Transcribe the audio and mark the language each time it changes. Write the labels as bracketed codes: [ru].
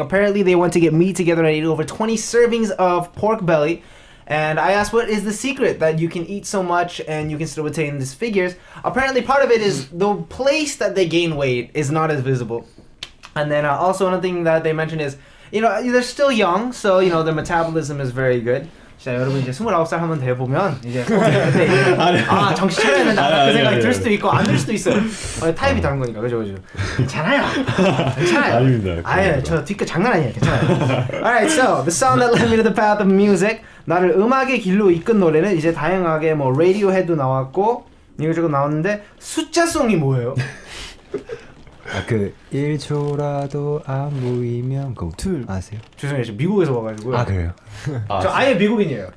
[en] Apparently they want to get me together and eat over 20 servings of pork belly. And I asked, what is the secret that you can eat so much and you can still retain these figures? Apparently, part of it is the place that they gain weight is not as visible. And then also another thing that they mentioned is, you know, they're still young, so, you know, their metabolism is very good. [ko] 자, 여러분 이제 29살 한번 돼보면 이제 네, 아, 정신 차려야 된다 그 생각이 들 수도 있고 안 들 수도 있어요. 어, 타입이 다른 거니까, 그죠? 괜찮아요. 괜찮아요. 아닙니다. 아예 저 뒤끝 장난 아니에요. 괜찮아요. [en] Alright, so the song that led me to the path of music. [ko] 나를 음악의 길로 이끈 노래는 이제 다양하게 뭐 Radiohead도 나왔고 이것저것 나왔는데 숫자송이 뭐예요? 아, 그 1초라도 안 보이면 go to 아세요? 죄송해요, 저 미국에서 와가지고요. 아, 그래요? 아, 저 아예 미국인이에요.